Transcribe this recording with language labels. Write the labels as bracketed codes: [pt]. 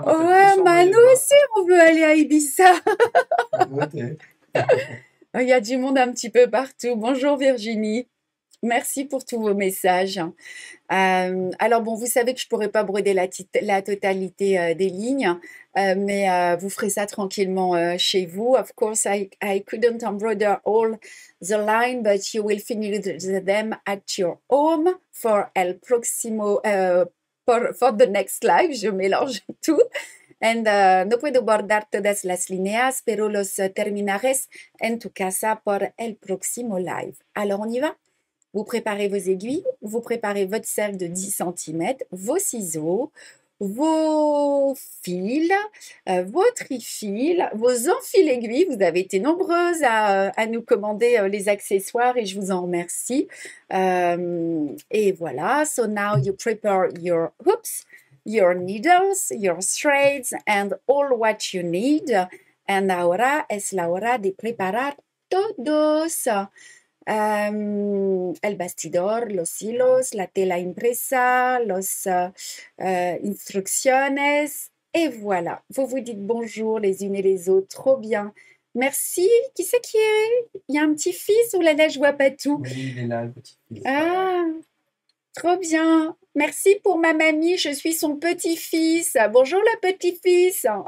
[fr] Bon, ouais, bah nous aussi, on veut aller à Ibiza. Il y a du monde un petit peu partout. Bonjour Virginie. Merci pour tous vos messages. Alors bon, vous savez que je ne pourrais pas broder la totalité des lignes, mais vous ferez ça tranquillement chez vous. [en] Of course, I couldn't embroider all the line, but you will finish them at your home for [es] el próximo, [en] for the next live. [fr] Je mélange tout. [es] And no puedo bordar todas las líneas, pero los terminaréis en tu casa por el próximo live. [fr] Alors on y va. Vous préparez vos aiguilles, vous préparez votre cercle de 10 cm, vos ciseaux, vos fils, vos trifils, vos enfils aiguilles. Vous avez été nombreuses à nous commander les accessoires et je vous en remercie. Et voilà, [en] so now you prepare your hoops, your needles, your threads and all what you need. [es] And ahora es la hora de preparar todos. El bastidor, los hilos, la tela impresa, las instrucciones. [fr] Et voilà, vous vous dites bonjour les unes et les autres, trop bien. Merci, qui c'est qui est? Il y a un petit-fils ou la neige ne voit pas tout? Oui, il est là, le petit-fils. Ah, trop bien. Merci pour ma mamie, je suis son petit-fils. Bonjour le petit-fils.